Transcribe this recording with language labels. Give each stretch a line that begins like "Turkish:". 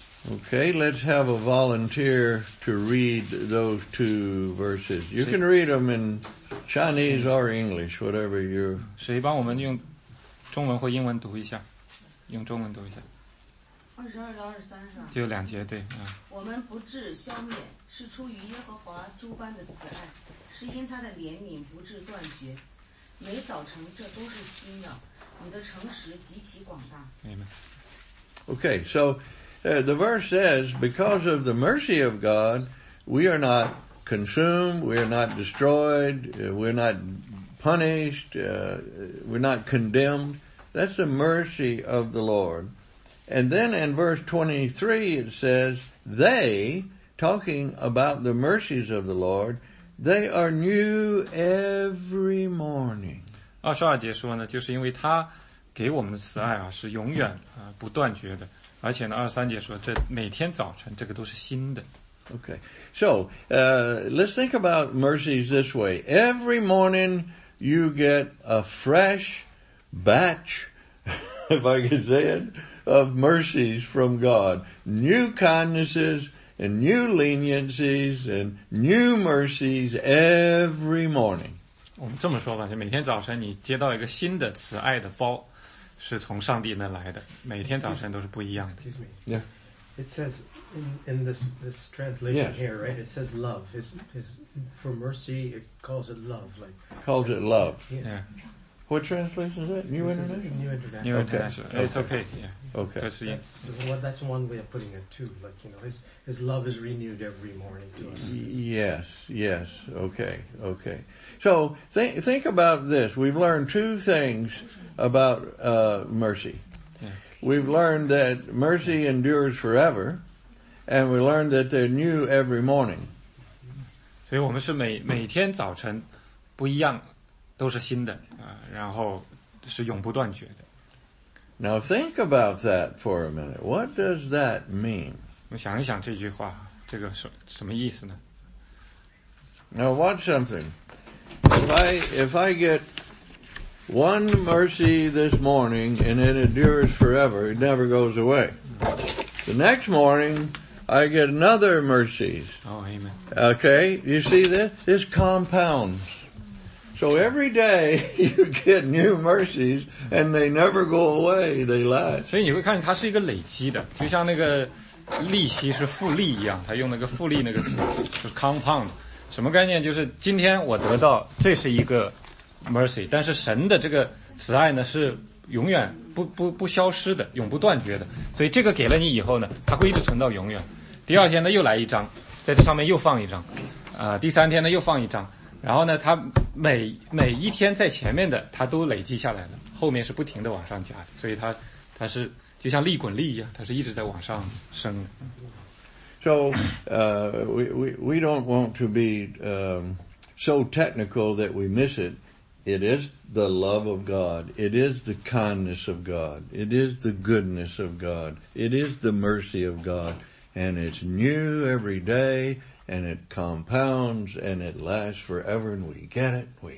English: Okay, let's have a volunteer to read those two verses. You can read them in Chinese or English, whatever you...
Chinese: 谁帮我们用中文或英文读一下？用中文读一下。 22-23是吧？就两节，对。我们不至消灭，是出于耶和华诸般的慈爱，是因他的怜悯不至断绝。每早晨，这都是新的，你的诚实极其广大。
English: Amen. Okay, so the verse says, because of the mercy of God, we are not consumed, we are not destroyed, we're not punished, we're not condemned. That's the mercy of the Lord. And then in verse 23, it says, they, talking about the mercies of the Lord, they are new every morning.
Chinese: 22节说呢，就是因为他给我们的慈爱啊，是永远不断绝的。而且呢，23节说，这每天早晨，这个都是新的。
English: Okay. So, let's think about mercies this way. Every morning, you get a fresh batch, if I can say it. Of mercies from God, new kindnesses and new leniencies and new mercies every morning.
Chinese: 我们这么说吧，就每天早晨你接到一个新的慈爱的包，是从上帝那来的。每天早晨都是不一样的。
English: Excuse me. Yeah. It says in this translation yes. here, right? It says love. Is for mercy. It calls it love. Like calls it love. Yeah. Yeah. What translation is that? New International? New International. New International. Okay. It's okay. Yeah. Okay. That's one way of putting it, too. Like, you know, his love is renewed every morning to us. Yes. Okay. So, think about this. We've learned two things about mercy. Yeah. we've learned that mercy endures forever, and we learned that they're new every morning.
Chinese: 所以我们是每天早晨不一样，都是新的，然后是永不断绝的。
English: Now think about that for a minute. What does that mean?
Chinese: 我想一想这句话，这个是什么意思呢？
English: Now watch something. If I get one mercy this morning and it endures forever, it never goes away. The next morning, I get another mercy. Oh, amen. Okay, you see this? This compounds. So every day you get new mercies and they never go away, they last.
Chinese: 所以你会看它是一个累积的，就像那个利息是复利一样，它用那个复利那个词，就 compound。什么概念？就是今天我得到这是一个 mercy， 但是神的这个慈爱呢是永远不消失的，永不断绝的。所以这个给了你以后呢，它会一直存到永远。第二天呢又来一张，在这上面又放一张，第三天呢又放一张。然后呢他每一天在前面的他都累积下来了，后面是不停的往上加的，所以他是就像利滚利一样，他是一直在往上升的。
English: So, we don't want to be, so technical that we miss it. It is the love of God. It is the kindness of God. It is the goodness of God. It is the mercy of God. And it's new every day. And it compounds and it lasts forever and we get it.